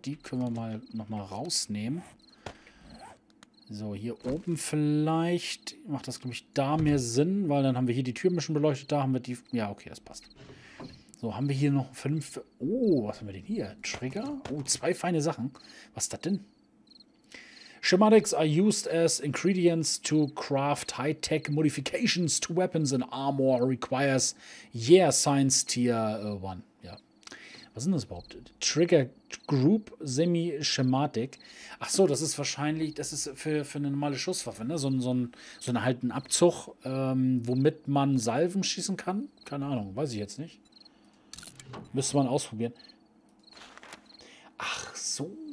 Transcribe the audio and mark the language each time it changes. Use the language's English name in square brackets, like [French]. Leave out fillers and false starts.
[German] Die können wir mal nochmal rausnehmen. So, hier oben vielleicht. Macht das, glaube ich, da mehr Sinn, weil dann haben wir hier die Tür ein bisschen beleuchtet. Da haben wir die. Ja, okay, das passt. So, haben wir hier noch fünf. Oh, was haben wir denn hier? Trigger? Oh, zwei feine Sachen. Was ist das denn? [English] Schematics are used as ingredients to craft high-tech modifications to weapons and armor requires yeah, science tier 1. [German] Was sind das überhaupt? Trigger Group Semi-Schematik. Ach so, das ist wahrscheinlich, das ist für eine normale Schusswaffe, ne? So ein halt ein Abzug, womit man Salven schießen kann. Keine Ahnung, weiß ich jetzt nicht. Müsste man ausprobieren. Ach so.